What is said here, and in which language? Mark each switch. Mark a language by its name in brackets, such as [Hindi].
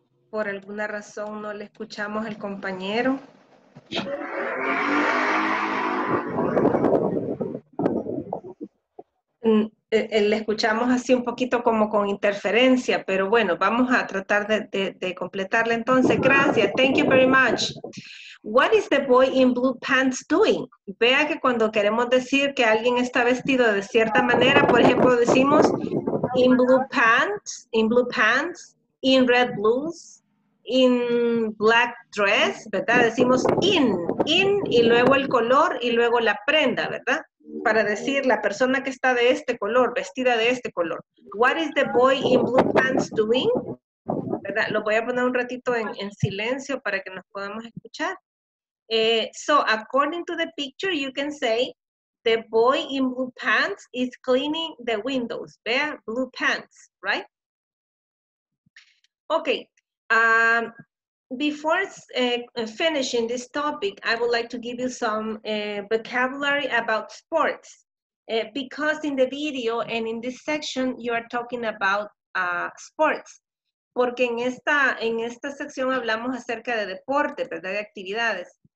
[Spanish] Por alguna razón no le escuchamos al compañero. Le escuchamos así un poquito como con interferencia, pero bueno, vamos a tratar de completarla entonces. Gracias. [English] Thank you very much. What is the boy in blue pants doing? [Spanish] Vea que cuando queremos decir que alguien está vestido de cierta manera, por ejemplo, decimos [English] in blue pants, in red blues, in black dress, [Spanish] ¿verdad? Decimos in y luego el color y luego la prenda, ¿verdad? Para decir la persona que está de este color, vestida de este color. [English] What is the boy in blue pants doing? [Spanish] ¿Verdad? Lo voy a poner un ratito en silencio para que nos podamos escuchar. [English] So, according to the picture, you can say, the boy in blue pants is cleaning the windows. [Spanish] Vea, [English] blue pants, right? Okay. Before finishing this topic, I would like to give you some vocabulary about sports. Because in the video and in this section, you are talking about sports. [Spanish] Porque en esta sección hablamos acerca de deporte, ¿verdad? De actividades.